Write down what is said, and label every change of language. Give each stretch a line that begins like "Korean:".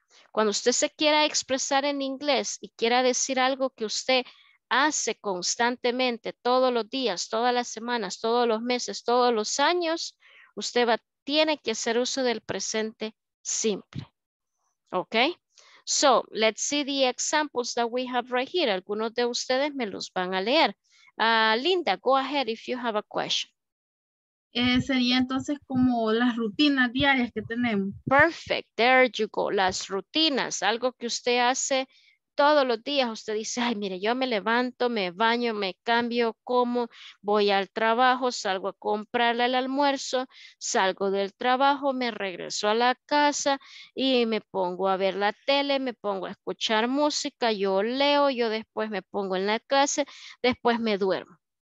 Spanish: Cuando usted se quiera expresar en inglés y quiera decir algo que usted hace constantemente, todos los días, todas las semanas, todos los meses, todos los años, usted tiene que hacer uso del presente simple. ¿Ok?
English: So, let's see the examples that we have right here.
Spanish: Algunos de ustedes me los van a leer.
English: Linda, go ahead if you have a question.
Spanish: Sería entonces como las rutinas diarias que tenemos.
English: Perfect, there you go.
Spanish: Las rutinas, algo que usted hace todos los días. Usted dice, ay, mire, yo me levanto, me baño, me cambio, como, voy al trabajo, salgo a comprarle el almuerzo, salgo del trabajo, me regreso a la casa y me pongo a ver la tele, me pongo a escuchar música, yo leo, yo después me pongo en la clase, después me duermo.